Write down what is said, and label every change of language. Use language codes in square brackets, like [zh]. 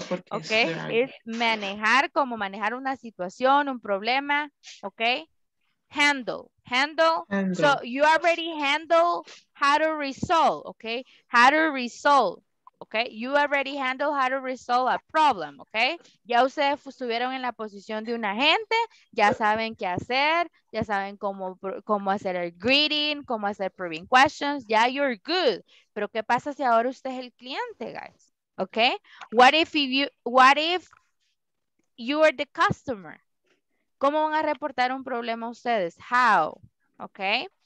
[es] Okay, es manejar como manejar una situación, un problema, okay? [en] Handle. So you already handle how to resolve, okay? How to resolve, okay? You already handle how to resolve a problem, okay? [es] Ya ustedes estuvieron en la posición de un agente, ya saben qué hacer, ya saben cómo hacer el greeting, cómo hacer probing questions, ya [en] you're good. [es] Pero ¿qué pasa si ahora usted es el cliente, guys? Okay? [en] What if you are the customer? [es] ¿Cómo van a reportar un problema a ustedes? [en] How? Okay?